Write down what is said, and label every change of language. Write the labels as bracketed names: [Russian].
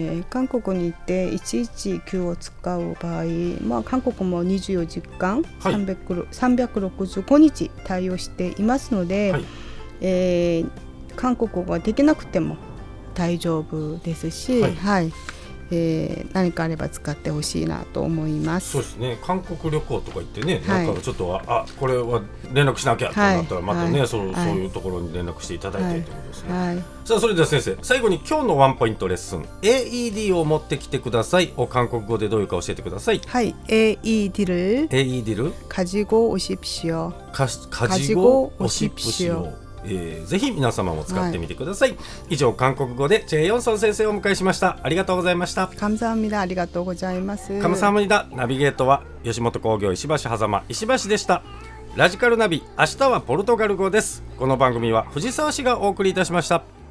[Japanese] 韓国に行って119を使う場合、まあ、韓国も24時間、はい、365日対応していますので、はい、韓国語ができなくても大丈夫ですし、はいはい、何かあれば使ってほしいなと思います。そうですね、韓国旅行とか行ってね、はい、なんかちょっとこれは連絡しなきゃとなったら、またね、はい、そういうところに連絡していただいて、はい、ということですね、はい。さあ、それでは先生、最後に今日のワンポイントレッスン、 AED を持ってきてくださいを韓国語でどういうか教えてください。 [Korean] はい、 AED를 가지고오십시오。 가지고오십시오。 [Japanese] ぜひ皆様も使ってみてください、はい。以上、韓国語でチェ・ヨンソン先生をお迎えしました。ありがとうございました。 [Korean] 감사합니다。 [Japanese] ありがとうございます。 [Korean] 감사합니다。 [Japanese] ナビゲートは吉本興業石橋狭間石橋でした。ラジカルナビ、明日はポルトガル語です。この番組は藤沢市がお送りいたしました。